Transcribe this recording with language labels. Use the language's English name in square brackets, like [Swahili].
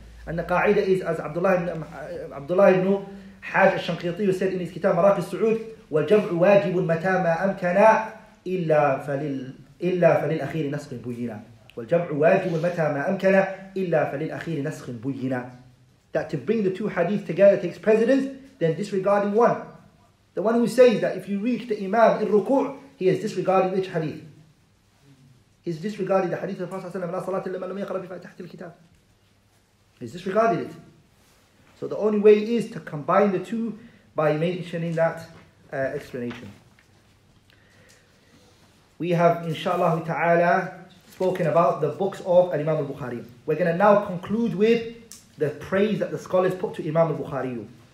[English] And the qa'idah is, as Abdullah ibn Hajj al-Shanqiti said in his kitab, Maraqi al-Su'ud, [Arabic] Wal jam'u wajibun mata ma amkana, إلا فلل أخير نسخ بينا والجمع واجب متى ما أمكن إلا فلل أخير نسخ بينا. [English] That to bring the two hadith together takes precedence, then disregarding one. The one who says that if you reach the Imam in ruku', he is disregarding which hadith? He's disregarding the hadith of Prophet ﷺ, [Arabic] لا صلاة إلا من لم يقرأ بفاتحة الكتاب. [English] He's disregarding it. So the only way is to combine the two by mentioning that explanation. We have, inshallah ta'ala, spoken about the books of Imam al-Bukhari. We're going to now conclude with the praise that the scholars put to Imam al-Bukhari.